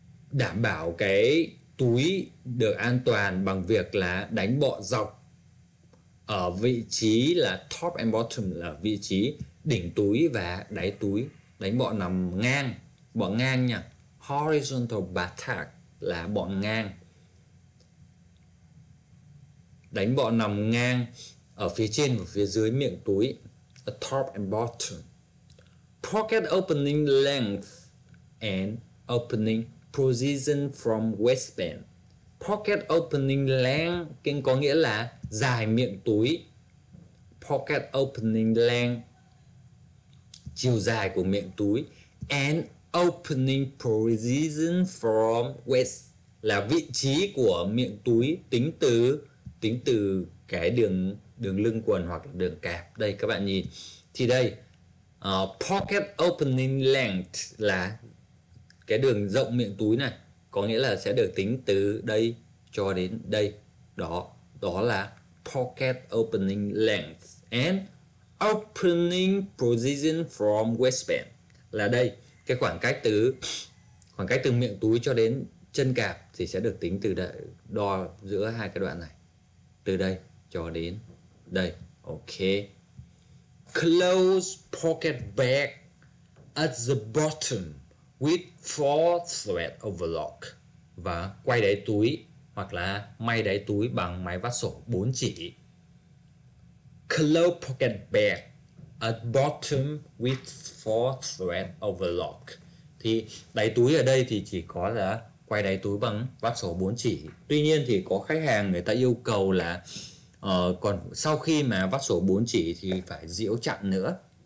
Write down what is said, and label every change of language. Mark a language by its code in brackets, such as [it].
[vi] Đảm bảo cái túi được an toàn bằng việc là đánh bọ dọc ở vị trí là [en] top and bottom, [vi] là vị trí đỉnh túi và đáy túi. Đánh bọ nằm ngang, bọ ngang nha. [en] Horizontal buttock [vi] là bọ ngang. Đánh bọ nằm ngang ở phía trên và phía dưới miệng túi. [en] A top and bottom. Pocket opening length and opening position from waistband. Pocket opening length [vi] có nghĩa là dài miệng túi. [en] Pocket opening length, [vi] chiều dài của miệng túi. [en] And opening position from waist [vi] là vị trí của miệng túi tính từ cái đường lưng quần hoặc là đường cạp. Đây các bạn nhìn, thì đây [en] pocket opening length [vi] là cái đường rộng miệng túi này, có nghĩa là sẽ được tính từ đây cho đến đây. Đó là [en] pocket opening length and opening position from waistband [vi] là đây, cái khoảng cách từ miệng túi cho đến chân cạp thì sẽ được tính từ đây, đo giữa hai cái đoạn này, từ đây cho đến đây. Ok. [en] Close pocket bag at the bottom with four thread overlock. [vi] Và quay đáy túi hoặc là may đáy túi bằng máy vắt sổ 4 chỉ. [en] Close pocket bag at bottom with four thread overlock. [vi] Thì đáy túi ở đây thì chỉ có là quay đáy túi bằng vắt sổ 4 chỉ. Tuy nhiên thì có khách hàng người ta yêu cầu là còn sau khi mà vắt sổ 4 chỉ thì phải diễu chặn nữa.